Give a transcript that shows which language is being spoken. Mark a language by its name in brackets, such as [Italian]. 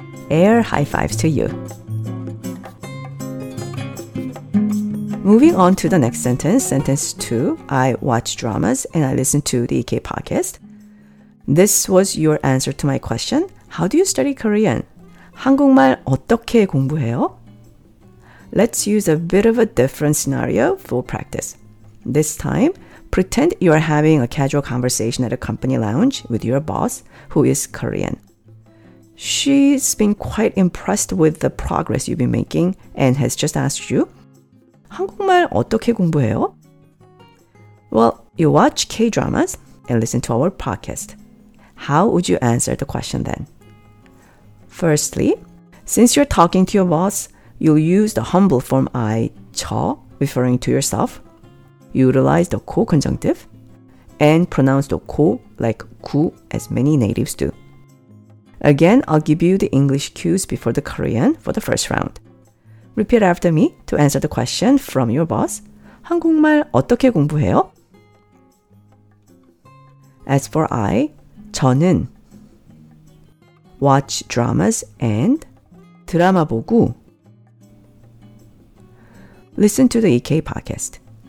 [English] Air high fives to you. Moving on to the next sentence, sentence 2, I watch dramas and I listen to the EK podcast. This was your answer to my question, how do you study Korean? [Korean] 한국말 어떻게 공부해요? [English] Let's use a bit of a different scenario for practice. This time, pretend you are having a casual conversation at a company lounge with your boss, who is Korean. She's been quite impressed with the progress you've been making and has just asked you, [Korean] 한국말 어떻게 공부해요? [English] Well, you watch K-dramas and listen to our podcast. How would you answer the question then? Firstly, since you're talking to your boss, you'll use the humble form I, 저, referring to yourself. Utilize the 고 conjunctive and pronounce the 고 like 구 as many natives do. Again, I'll give you the English cues before the Korean for the first round. Repeat after me to answer the question from your boss. [Korean] 한국말 어떻게 공부해요? [English] As for I, 저는 watch dramas and [Korean] 드라마 보고 [English] listen to the EK podcast.